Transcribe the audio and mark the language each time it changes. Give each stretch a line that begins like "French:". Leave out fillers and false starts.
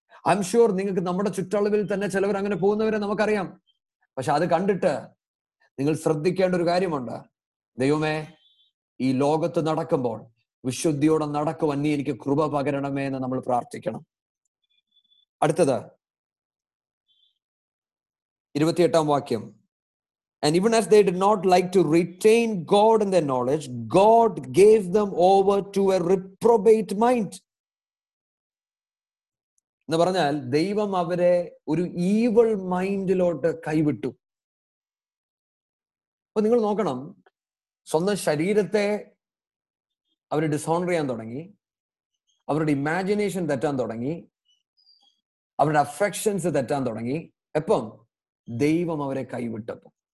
English: I'm sure
Malayalam: നിങ്ങൾക്ക് നമ്മുടെ ചുറ്റളവിൽ തന്നെ ചിലവർ അങ്ങനെ പോകുന്നവരെ നമുക്കറിയാം. പക്ഷെ അത് കണ്ടിട്ട് നിങ്ങൾ ശ്രദ്ധിക്കേണ്ട ഒരു കാര്യമുണ്ട്, ദൈവമേ ഈ ലോകത്ത് നടക്കുമ്പോൾ വിശുദ്ധിയോടെ നടക്കുവന്നി എനിക്ക് കൃപ പകരണമേ എന്ന് നമ്മൾ പ്രാർത്ഥിക്കണം. അടുത്തത് 28th വാക്യം,
English: And even as they did not like to retain God in their knowledge, God gave them over to a reprobate mind.
Malayalam: എന്ന് പറഞ്ഞാൽ ദൈവം അവരെ ഒരു
English: evil മൈൻഡിലോട്ട്
Malayalam: കൈവിട്ടു. അപ്പൊ നിങ്ങൾ നോക്കണം, സ്വന്തം ശരീരത്തെ അവർ ഡിസോണർ ചെയ്യാൻ തുടങ്ങി, അവരുടെ ഇമാജിനേഷൻ തെറ്റാൻ തുടങ്ങി, അവരുടെ അഫെക്ഷൻസ് തെറ്റാൻ തുടങ്ങി. എപ്പം? ദൈവം അവരെ കൈവിട്ടപ്പം.